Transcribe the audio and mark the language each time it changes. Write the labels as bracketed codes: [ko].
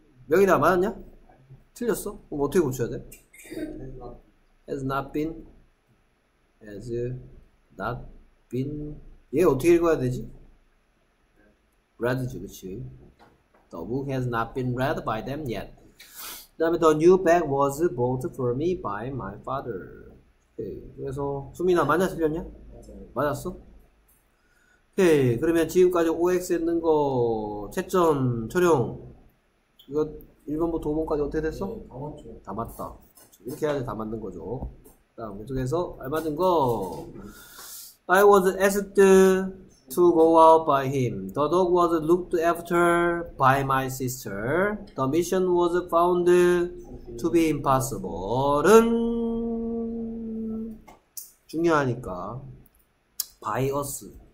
[ko] 여기다 맞았냐? 틀렸어? 그럼 어떻게 고쳐야 돼? [en] Has not been. Has not been. [ko] 얘 어떻게 읽어야 되지? Read지, 그치? [en] The book has not been read by them yet. [ko] 그 다음에 [en] The new bag was bought for me by my father. [ko] 오케이. 그래서 수민아 맞냐 틀렸냐? 맞았어? 오케이. 그러면 지금까지 OX 했는 거 채점 촬영 이거 1번부터 5번까지 어떻게 됐어? 네, 다 맞다. 이렇게 해야지 다 맞는 거죠. 다음 계속해서 알맞은 거. [en] I was asked to go out by him. The dog was looked after by my sister. The mission was found to be impossible [ko] 은 중요하니까 [en] by us.